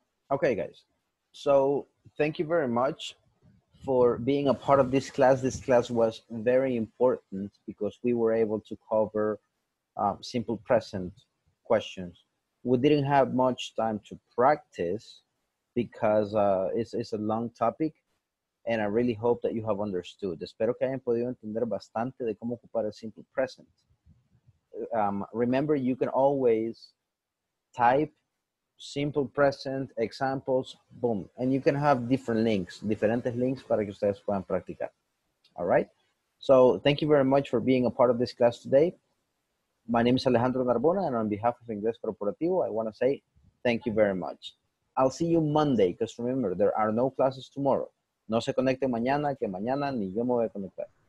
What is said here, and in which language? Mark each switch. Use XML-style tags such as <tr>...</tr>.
<en>Okay, guys. So thank you very much for being a part of this class. This class was very important because we were able to cover simple present questions. We didn't have much time to practice because it's a long topic, and I really hope that you have understood.</en> <es>Espero que hayan podido entender bastante de cómo ocupar el simple present.</es> <en>Remember, you can always type simple present examples, boom. And you can have different links</en> <es>para que ustedes puedan practicar.</es> <en>All right. So thank you very much for being a part of this class today. My name is Alejandro Narbona, and on behalf of Ingles Corporativo, I want to say thank you very much. I'll see you Monday, because remember, there are no classes tomorrow.</en> <es>No se conecte mañana, que mañana ni yo me voy a conectar.</es>